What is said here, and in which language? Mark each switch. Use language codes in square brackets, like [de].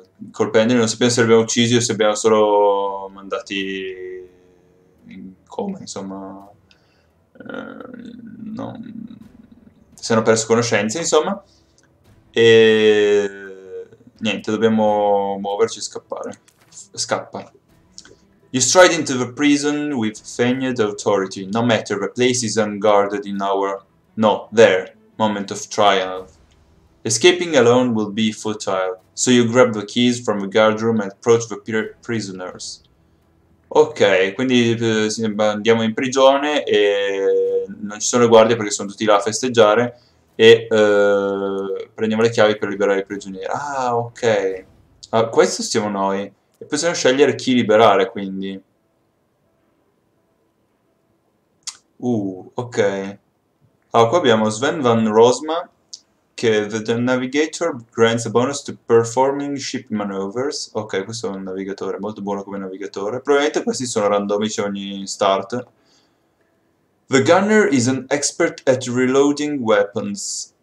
[it] Colpendoli, non sappiamo se li abbiamo uccisi o se abbiamo solo mandati in coma, insomma, non, si sono perso conoscenza, insomma, e niente, dobbiamo muoverci e scappare. Scappa. [en] You stride into the prison with feigned authority, no matter the place is unguarded in our, no, there, moment of trial. Escaping alone will be futile, so you grab the keys from the guardroom and approach the prisoners. [it] Ok, quindi andiamo in prigione e non ci sono guardie perché sono tutti là a festeggiare e prendiamo le chiavi per liberare i prigionieri. Ah, ok. Ah, questo siamo noi. E possiamo scegliere chi liberare, quindi. Ok. Ah, qua abbiamo Sven van Rosma. [en] Che the navigator grants a bonus to performing ship maneuvers. [it] Ok, questo è un navigatore, molto buono come navigatore. Probabilmente questi sono randomici ogni start. [en] The gunner is an expert at reloading weapons.